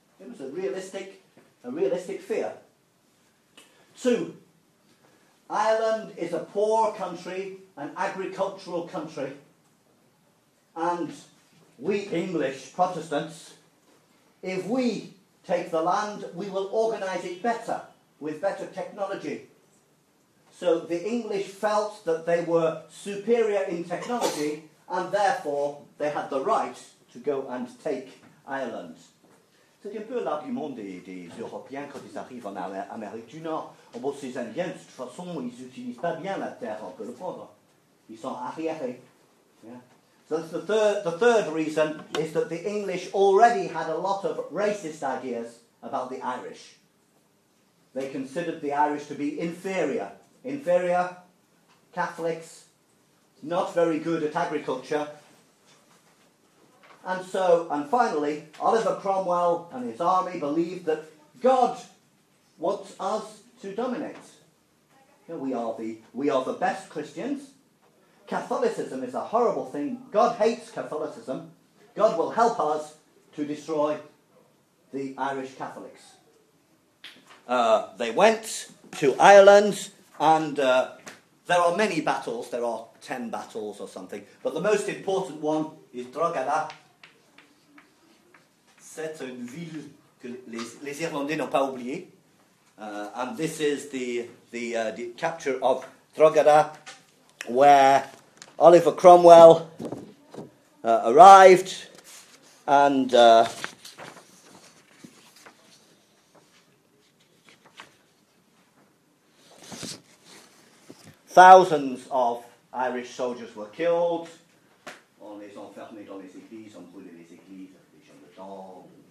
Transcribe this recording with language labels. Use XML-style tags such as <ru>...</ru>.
<en>It was a realistic fear. Two, Ireland is a poor country, an agricultural country, and we English Protestants, if we take the land, we will organise it better, with better technology. So the English felt that they were superior in technology and therefore they had the right to go and take Ireland.</en> <fr>C'est un peu l'argument des Européens quand ils arrivent en Amérique du Nord. En gros, ces Indiens, de toute façon, ils n'utilisent pas bien la terre, on peut le prendre. Ils sont arriérés. Yeah.</fr> <en>So the third reason is that the English already had a lot of racist ideas about the Irish. They considered the Irish to be inferior. Inferior, Catholics, not very good at agriculture. And so, and finally, Oliver Cromwell and his army believed that God wants us to dominate. We are the best Christians. Catholicism is a horrible thing. God hates Catholicism. God will help us to destroy the Irish Catholics. They went to Ireland, and there are many battles. There are 10 battles or something. But the most important one is Drogheda.</en> <fr>C'est une ville que les Irlandais n'ont pas oublié.</fr> <en>And this is the capture of Drogheda, where Oliver Cromwell arrived, and thousands of Irish soldiers were killed.</en> <fr>On les enfermait dans les églises, on brûlait les églises, les gens dedans.</fr>